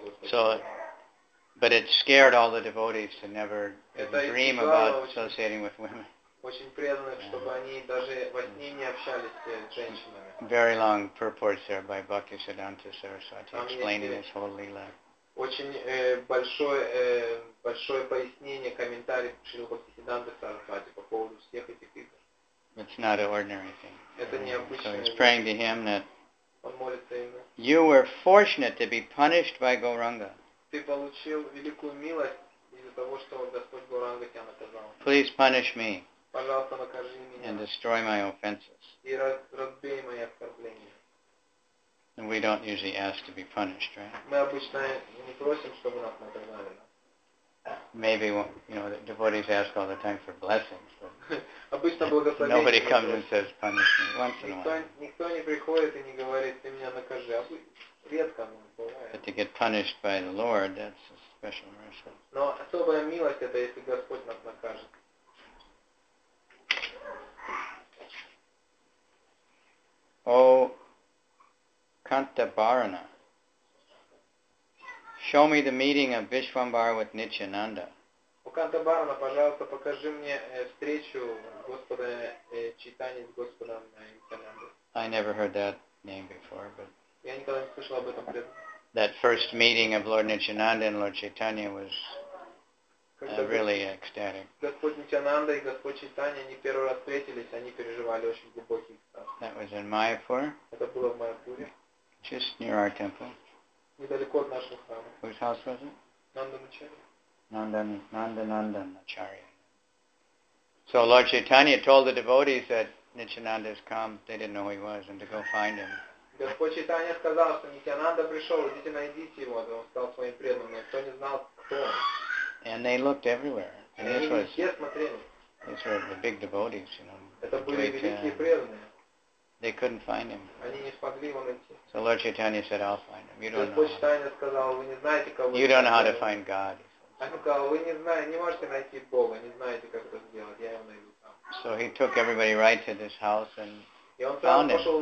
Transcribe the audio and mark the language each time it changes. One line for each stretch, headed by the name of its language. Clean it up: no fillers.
English: So, but it scared all the devotees to never dream about associating with women.
Russian: Очень преданных, yeah. Чтобы они даже во сне не общались с женщинами.
English: Very long purports there by Bhaktisiddhanta Saraswati explaining his whole lila.
Russian: Очень большое, большое пояснение, комментарий Шрилы Бхактисиддханты Сарасвати по поводу всех этих игр.
English: It's not an ordinary thing.
Russian: Это необычное.
English: So he's praying to him that
Russian: он молится ему.
English: You were fortunate to be punished by Gauranga.
Russian: Ты получил великую милость из-за того, что Господь Гауранга тебя наказал.
English: Please punish me.
Russian: Пожалуйста, накажи меня.
English: And destroy my offenses.
Russian: И разбей мои оскорбления.
English: And we don't usually ask to be punished, right?
Russian: Мы обычно не просим, чтобы нас наказали.
English: Maybe, you know, the devotees ask all the time for blessings.
Russian: Обычно благословение.
English: Nobody comes and says punish me once in a while.
Russian: Никто не приходит и не говорит, ты меня накажи. Редко оно бывает.
English: But to get punished by the Lord, that's a special mercy.
Russian: Но особая милость это если Господь нас накажет.
English: O Atabarana. Show me the meeting of Vishwambar with Nityananda.
Russian: O Kantabarana, пожалуйста, покажи мне встречу Господа Чайтани с Господом Нитянандой.
English: I never heard that name before, but...
Russian: Я никогда не слышал об этом прежде.
English: That first meeting of Lord Nityananda and Lord Chaitanya was really ecstatic.
Russian: Господь Нитянанда и Господь Чайтани, они первый раз встретились, они переживали очень глубокий экстаз.
English: That was in Mayapur.
Russian: Это было в Майяпуре.
English: Just near our temple.
Russian: Недалеко от нашего храма.
English: Whose house was it? Nandanacharya. So Lord Chaitanya told the devotees that Nityananda has come. They didn't know who he was and to go find him.
Russian: Господь Чайтанья сказал, что Нитянанда пришел, идите найдите его, он стал своим преданным, но никто не знал, кто он.
English: And they looked everywhere. And
Russian: они
English: this
Russian: везде смотрели.
English: These were the big devotees, you know.
Russian: Это были великие преданные.
English: They couldn't find him.
Russian: Они не смогли его найти.
English: So Lord Chaitanya said, I'll find him. You don't
Russian: Господь Чайтанья сказал, вы не знаете, кого
English: You don't know how to find God.
Russian: Он сказал, вы не знаете, не можете найти Бога, не знаете, как это сделать, я его найду там.
English: So he took everybody right to this house and found him.